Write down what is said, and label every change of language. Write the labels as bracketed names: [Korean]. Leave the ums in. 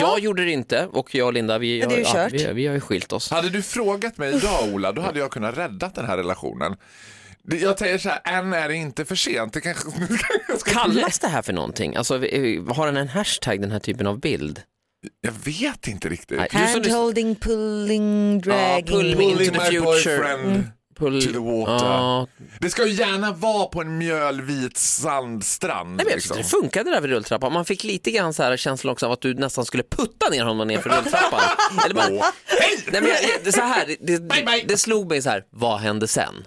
[Swedish] Jag gjorde det inte och jag och Linda vi, gör, ja, vi, vi, har ju skilt oss. Hade du frågat mig idag Ola, då hade jag kunnat rädda den här relationen. Jag säger så här, än är det inte för sent. Det kanske, jag Kallas det här för någonting? Alltså, har den en hashtag, den här typen av bild? Jag vet inte riktigt. Hand [English] holding, pulling, dragging. Ah, pull me pulling into the future. My boyfriend. Mm pull... Ah. [Swedish] Det ska ju gärna vara på en mjölvit sandstrand. Nej, men liksom. Jag det funkade där vid rulltrappan. Man fick lite grann så känslan också av att du nästan skulle putta ner honom ner för rulltrappan. Eller bara, oh. hey. Nej, men, så här, det, bye, bye. det, slog mig så här, vad hände sen?